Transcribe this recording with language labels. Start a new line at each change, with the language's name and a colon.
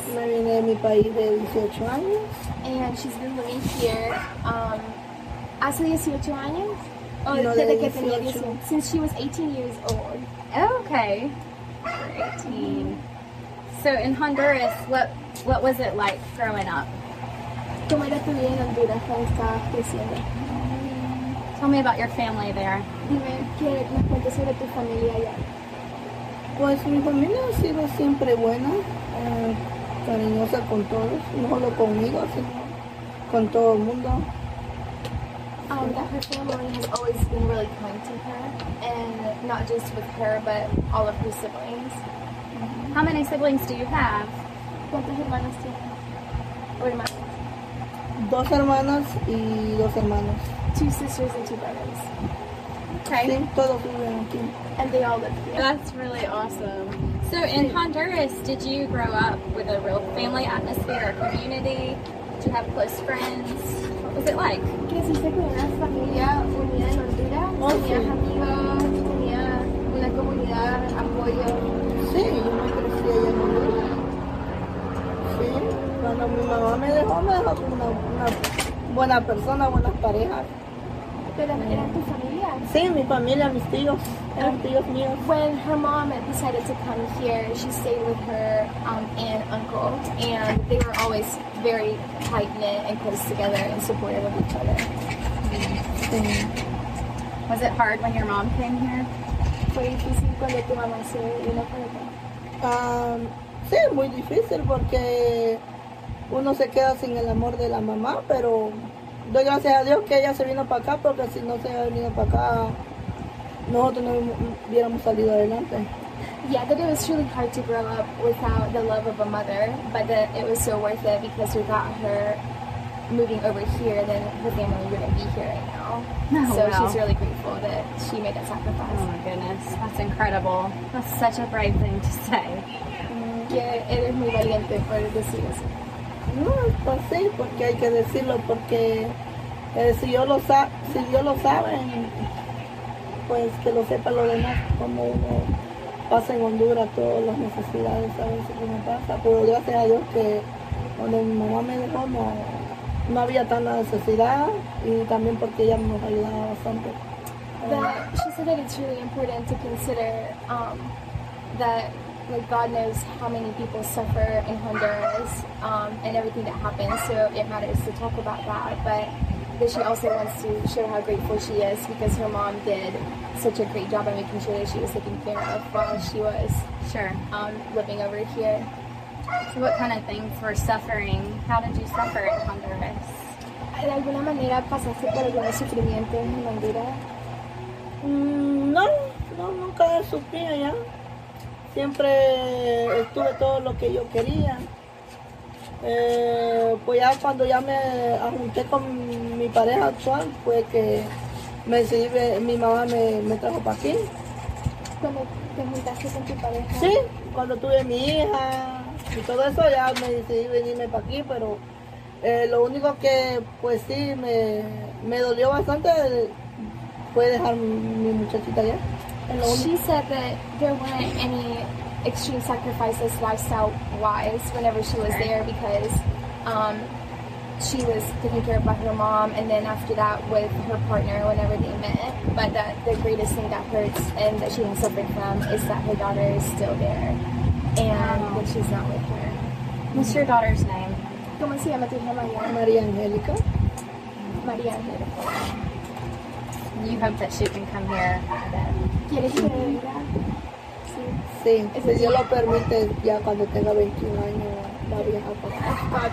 Spanish: Me vine de mi país de 18 años.
English: And she's been living here
Spanish: hace 18 años? Oh, no, desde que tenía 18.
English: Since she was 18 years old. Okay. 18. So in Honduras, what was it like growing up?
Spanish: ¿Cómo era tu vida en Honduras cuando estabas creciendo?
English: Tell me about your family there.
Spanish: Dime que me cuentes sobre tu familia allá. Pues mi familia ha sido siempre buena, cariñosa con todos, no solo conmigo, sino con todo el mundo.
English: That her family has always been really kind to her, and not just with her, but all of her siblings. Mm-hmm. How many siblings do you have?
Spanish: ¿Cuántos hermanos tienes? Dos hermanas y dos hermanos.
English: Two sisters and two brothers. Okay.
Spanish: Sí, todos viven aquí.
English: And they all live here. That's really awesome. So in Honduras, did you grow up with a real family atmosphere, a community? Did you have close friends? What was it like?
Spanish: ¿Qué se siente con una familia unida en Honduras? ¿Tenía amigos? ¿Tenía una comunidad, apoyo? Sí, yo me crecí allá en Honduras. Sí, cuando mi mamá me dejó con una buena persona, buenas parejas. ¿Pero eran tu familia? Sí, mi familia, mis tíos.
English: When her mom decided to come here, she stayed with her aunt, uncle, and they were always very tight-knit and close together and supportive of each other. Mm-hmm. Was it hard when your mom came here?
Spanish: ¿Fue difícil cuando tu mamá se vino para acá? Sí, muy difícil porque uno se queda sin el amor de la mamá, pero doy gracias a Dios que ella se vino para acá, porque si no se hubiera venido para acá, nosotros no hubiéramos salido adelante.
English: Yeah, that it was really hard to grow up without the love of a mother, but that it was so worth it because without her moving over here, then the family wouldn't be here right now. She's really grateful that she made that sacrifice. Oh my goodness, that's incredible. That's such a brave thing to say. Yeah,
Spanish: eres muy valiente por decir eso. No, pues sí, porque hay que decirlo, porque si yo lo saben. Pues que lo sepa lo demás, como uno pasa en Honduras todas las necesidades, a veces que me pasa. Pero gracias a Dios que cuando mi mamá me dejó no había tanta necesidad, y también porque ella nos ayudaba bastante.
English: She said that it's really important to consider that, like, God knows how many people suffer in Honduras and everything that happens, so it matters to talk about that. But she also wants to show how grateful she is because her mom did such a great job of making sure that she was taken care of while she was living over here. So what kind of things were suffering? How did you suffer in Honduras?
Spanish: ¿De alguna manera pasaste por algún sufrimiento en Honduras? No, nunca sufrí allá. Siempre estuve todo lo que yo quería. Pues ya cuando ya me junté con mi pareja actual, fue que me decidí, mi mamá me trajo para aquí. ¿Cuando te juntaste con tu pareja? Sí, cuando tuve mi hija y todo eso, ya me decidí venirme para aquí, pero lo único que, pues sí, me dolió bastante fue dejar mi muchachita allá.
English: She said that there weren't any extreme sacrifices lifestyle-wise whenever she was there because she was taking care of her mom and then after that with her partner whenever they met, but that the greatest thing that hurts and that she didn't suffer from is that her daughter is still there and that she's not with her. What's your daughter's name?
Spanish: ¿Cómo se llama tu hija, María? María Angélica.
English: You hope that she can come here then?
Spanish: ¿Quieres que venga? Sí, si Dios lo permite, ya cuando tenga 21 años, va a viajar para acá.